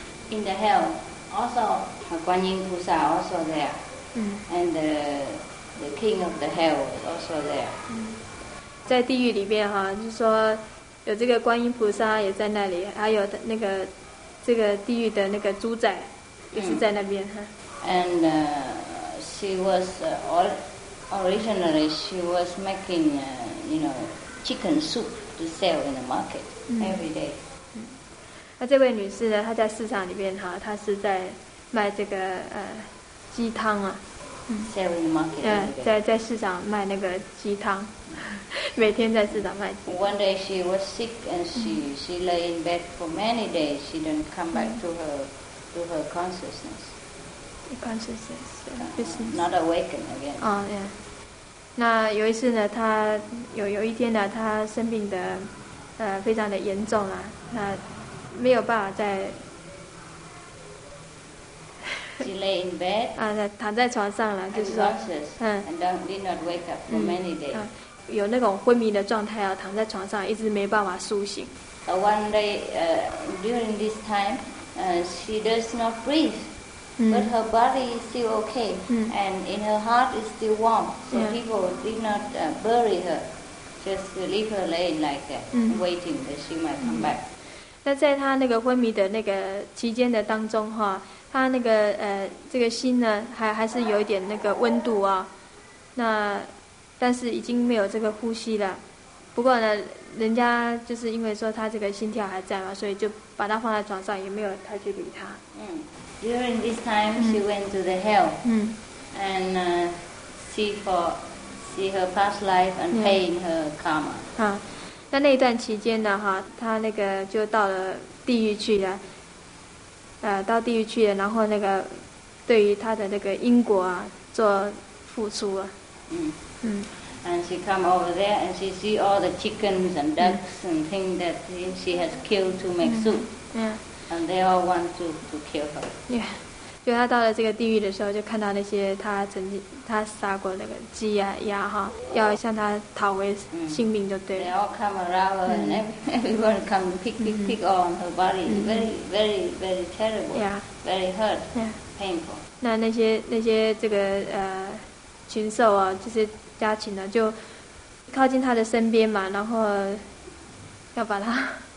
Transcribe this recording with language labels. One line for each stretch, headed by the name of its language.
English: In the hell, also Quan Yin 菩萨 also there. And the king of the hell was also there.
Chinese: 在地狱里面哈，就是说。有这个观音菩萨也在那里，还有那个这个地狱的那个猪仔也是在那边哈。
English: And she was originally she was making you know chicken soup to sell in the market every day。
Chinese: 那这位女士呢，她在市场里面哈，她是在卖这个鸡汤啊。
English: Sell in the market every day。
Chinese: 在市场卖那个鸡汤。每天在市场卖鸡。
English: One day she was sick and she lay in bed for many days. She didn't come back to her consciousness. Consciousness, not awakened again.
Chinese: 那有一次呢，她有一天呢，她生病的非常的严重啊，那没有办法再。
English: She lay in bed.
Chinese: 躺在床上了，就是说。
English: Unconscious. And did not wake up for many days.
Chinese: 有那种昏迷的状态啊，躺在床上一直没办法苏醒。
English: One day, during this time, she does not breathe, but her body is still okay, and in her heart is still warm. So people did not bury her, just leave her laying like that, waiting that she might come back.
Chinese: 那在她那个昏迷的那个期间的当中哈，她那个这个心呢，还是有一点那个温度啊，那。但是已经没有这个呼吸了，不过呢，人家就是因为说他这个心跳还在嘛，所以就把他放在床上，也没有太去理他。
English: During this time, she went to the hell. And see her past life and pay in her karma.
Chinese: 那一段期间呢，哈，他那个就到了地狱去了。到地狱去了，然后那个对于他的那个因果啊，做付出啊。
English: And she come over there and she see all the chickens and ducks and things that she has killed to make soup. And they all want to kill her.
Chinese: 就她到了这个地狱的时候，就看到那些她曾经她杀过那个鸡啊鸭哈，要向她讨回性命就对了。
English: They all come around her and everyone come pick on her body. Very very very terrible. Very hurt. Painful.
Chinese: 那些这个禽兽啊，这些家禽呢，就靠近他的身边嘛，然后要把他